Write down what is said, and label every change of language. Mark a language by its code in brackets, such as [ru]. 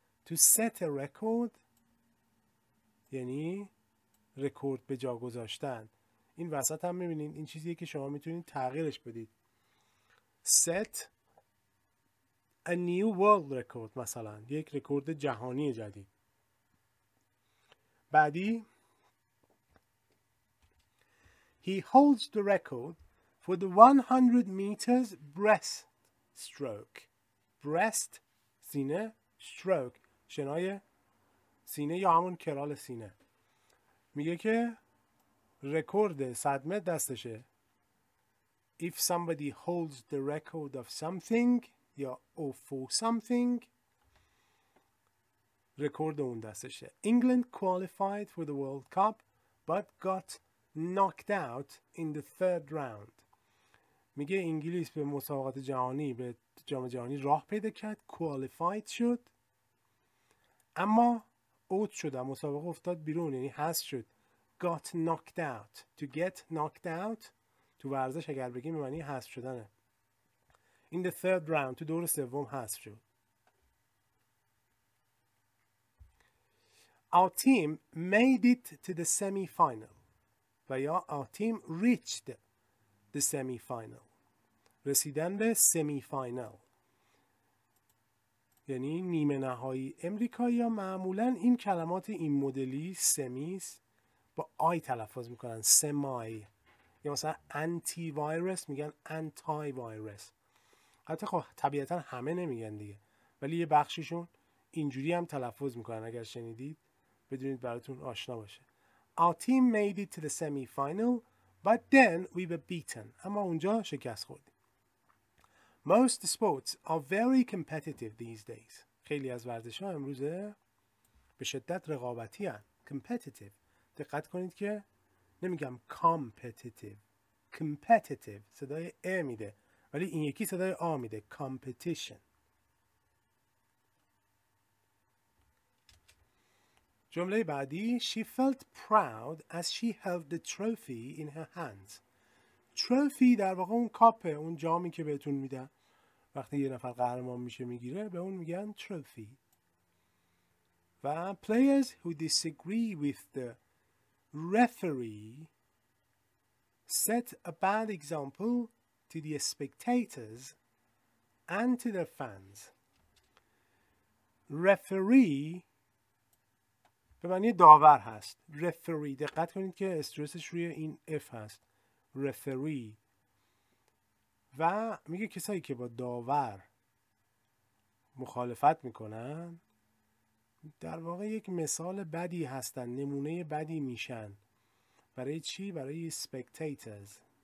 [en] To set a record [fa] یعنی رکورد به جا گذاشتن. این وسط هم میبینید این چیزیه که شما میتونید تغییرش بدید. [en] Set a new world record [fa] مثلا یک رکورد جهانی جدید. بعدی [en] He holds the record for the 100 meters breast stroke. [fa] Breast سینه، stroke شنای سینه یا همون کرال سینه. میگه که رکورد 100 متر دستشه. [en] If somebody holds the record of something یا of something [fa] رکورد اون دستشه. [en] England qualified for the World Cup but got knocked out in the third round. [fa] میگه انگلیس به مسابقات جهانی، به جام جهانی راه پیدا کرد، qualified شد، اما اوت شد، مسابقه افتاد بیرون، یعنی حذف شد. [en] got knocked out. to get knocked out [fa] تو ورزش اگر بگیم یعنی حذف شدنه. [en] in the third round [fa] تو دور سوم حذف شد. [en] our team made it to the semi-final. [fa] و یا [en] our team reached the semi-final. [fa] رسیدن به semi-final یعنی نیمه نهایی. امریکایی ها معمولاً این کلمات این مدلی semis با آی تلفظ میکنن، semi. یا مثلا anti-virus میگن anti-virus. حتی خب طبیعتاً همه نمیگن دیگه، ولی یه بخشیشون اینجوری هم تلفظ میکنن. اگر شنیدید بدونید براتون آشنا باشه. [en] Our team made it to the semi-final, but then we were beaten. [fa] اما اونجا شکست خوردیم. [en] Most sports are very competitive these days. [fa] خیلی از ورزش‌ها امروزه به شدت رقابتی هن. [en] Competitive. [fa] دقت کنید که نمیگم competitive. Competitive. صدای A میده. ولی این یکی صدای A میده. Competition. جمله بعدی [en] She felt proud as she held the trophy in her hands. [fa] Trophy در واقع اون کاپه، اون جامی که بهتون میده وقتی یه نفر قهرمان میشه میگیره، به اون میگن trophy. [en] و players who disagree with the referee set a bad example to the spectators and to their fans. [fa] Referee به معنی داور هست. رفری، دقت کنید که استرسش روی این اف هست، رفری. و میگه کسایی که با داور مخالفت میکنن در واقع یک مثال بدی هستن، نمونه بدی میشن. برای چی؟ برای اسپکتیترز،